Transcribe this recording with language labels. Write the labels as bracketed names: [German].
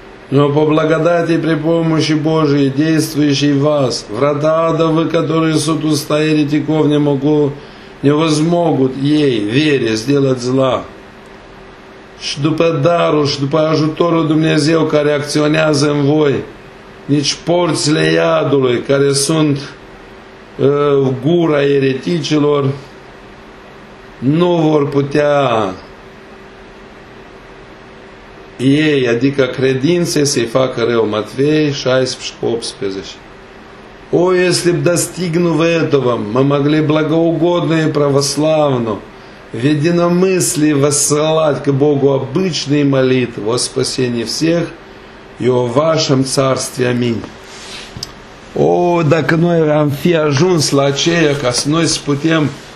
[Russian] Но по благодати при помощи Божией, действующей вас, врата адовы, которые суд устояли теков, не могу, не возмогут ей, вере, сделать зла. [Romanian] Și după darul și după ajutorul Dumnezeu care acționează în voi, nici porțile iadului care sunt în gura ereticilor nu vor putea ei, adică credințe, să-i facă rău. Matvei 16:18. [Russian] O, если б достигнув этого, мы могли благоугодно и православно в единомыслии воссылать к Богу обычные молитвы о спасении всех и о вашем царстве. Аминь. [Romanian] О, dacă noi am fi ajuns la aceea ca să noi să putem